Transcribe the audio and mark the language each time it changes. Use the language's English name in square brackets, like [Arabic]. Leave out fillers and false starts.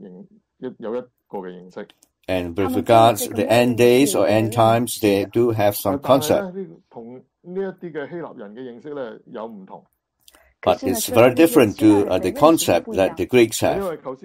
[Chinese] 他们对于这个末日是有一个认识, [English] and with regards to the end days or end times, they do have some concept. [Chinese] 但是呢,跟这些希腊人的认识有不同。 [English] But it's very different to the concept that the Greeks have.